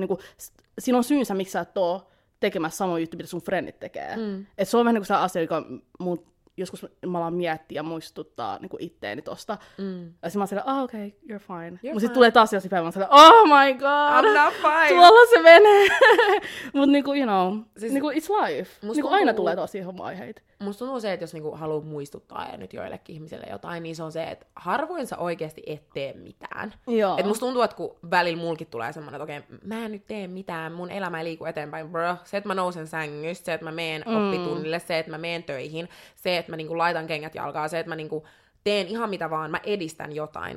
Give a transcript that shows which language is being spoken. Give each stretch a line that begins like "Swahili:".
Finnish: Niin kuin, siinä on syynsä, miksi sä et oo tekemässä samoja juttuja, mitä sun frendit tekee. Mm. Et se on vähän niin kuin se asia, joka mun, joskus mä alan miettiä ja muistuttaa niin kuin itteeni tosta. Mm. Ja sit mä oon silleen,
English: oh, okay, you're fine.
Finnish: Mut sit tulee taas jossain päivänä, mä oon
English: oh my god! I'm not fine!
Finnish: Tuolla se menee! Mut niinku,
English: you know,
Finnish: siis, niinku,
English: it's life.
Finnish: Niinku aina tulee taas siihen vaiheita. Musta tuntuu se, että jos niinku haluu muistuttaa ja nyt joillekin ihmisille jotain, niin se on se, että harvoin sä oikeesti et tee mitään. Joo. Et musta tuntuu, että kun välillä mulkin tulee semmonen, että okei, mä en nyt tee mitään, mun elämä ei liiku eteenpäin, bro. Se, että mä nousen sängystä, se, että mä meen oppitunnille, se, että mä meen töihin, se, että mä niinku laitan kengät jalkaan, se, että mä niinku teen ihan mitä vaan, mä edistän jotain.